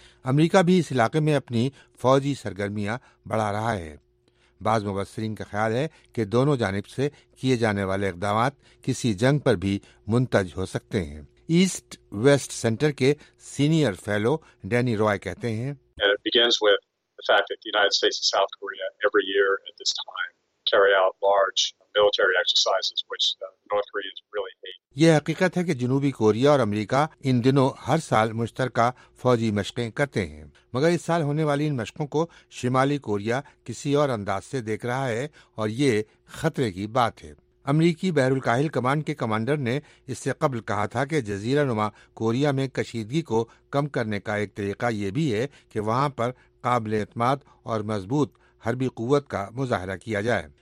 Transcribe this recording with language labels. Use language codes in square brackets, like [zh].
[ur] امریکہ بھی اس علاقے میں اپنی فوجی سرگرمیاں بڑھا رہا ہے. بعض مبصرین کا خیال ہے کہ دونوں جانب سے کیے جانے والے اقدامات کسی جنگ پر بھی منتج ہو سکتے ہیں. ایسٹ ویسٹ سینٹر کے سینئر فیلو ڈینی روائے کہتے ہیں, [en] the fact that the United States and South Korea every year at this time carry out large military exercises which the North Koreans really hate. [ur] یہ حقیقت ہے کہ جنوبی Korea اور امریکہ ان دنوں ہر سال مشترکہ فوجی مشقیں کرتے ہیں, مگر اس سال ہونے والی ان مشقوں کو شمالی کوریا کسی اور انداز سے دیکھ رہا ہے اور یہ خطرے کی بات ہے. امریکی بحر الکاہل کمانڈ کے کمانڈر نے اس سے قبل کہا تھا کہ جزیرہ نما کوریا میں کشیدگی کو کم کرنے کا ایک طریقہ یہ بھی ہے کہ وہاں پر قابل اعتماد اور مضبوط حربی قوت کا مظاہرہ کیا جائے.